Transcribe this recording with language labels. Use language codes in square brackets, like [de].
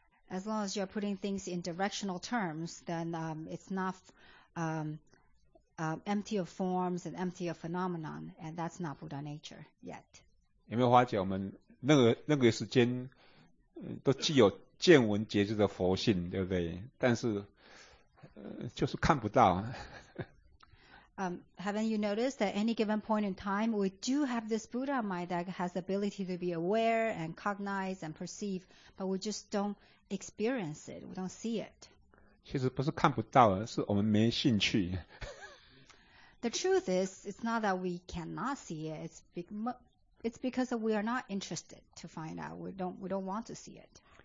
[en] As long as you're putting things in directional terms, then it's not empty of forms and empty of phenomenon, and that's not Buddha nature yet. [zh] 因为花姐，我们那个时间都具有。见闻觉知的佛性，对不对？但是，就是看不到。 [en] Haven't you noticed that at any given point in time, we do have this Buddha mind that has the ability to be aware and cognize and perceive, but we just don't experience it, we don't see it. [zh] 其实不是看不到，是我们没兴趣。 [en] The truth is, it's not that we cannot see it, it's because we are not interested to find out, we don't want to see it.